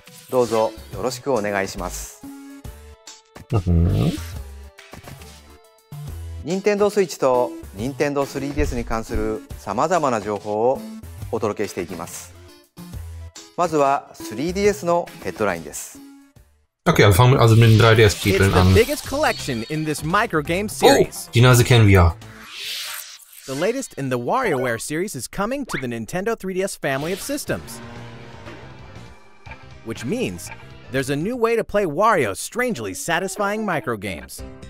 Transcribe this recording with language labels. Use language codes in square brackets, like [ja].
[ja] どうぞよろしくお願いします。任天堂スイッチと任天堂 3DS に関するさまざまな情報をお届けしていきます。まずは 3DS のヘッドラインです。 [de] Okay, wir fangen also mit den 3DS-Titeln an. [en] It's the biggest collection in this microgame series. [de] Oh, die Nase kennen wir. [en] The latest in the WarioWare series is coming to the Nintendo 3DS family of systems. Which means there's a new way to play Wario's strangely satisfying microgames.